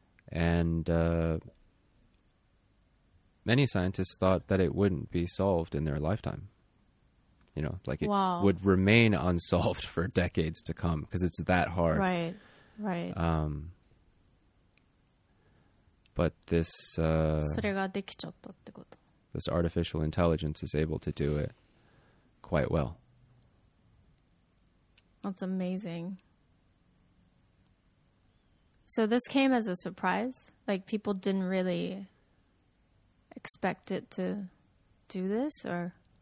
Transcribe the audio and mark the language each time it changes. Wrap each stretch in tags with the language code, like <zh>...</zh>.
<en>And many scientists thought that it wouldn't be solved in their lifetime. You know, like it would remain unsolved for decades to come because it's that hard. Right, right. But this...</en> <ja>それができちゃったってこと.</ja> <en>This artificial intelligence is able to do it quite well. That's amazing. So this came as a surprise? Like people didn't really expect it to do this, or...</en>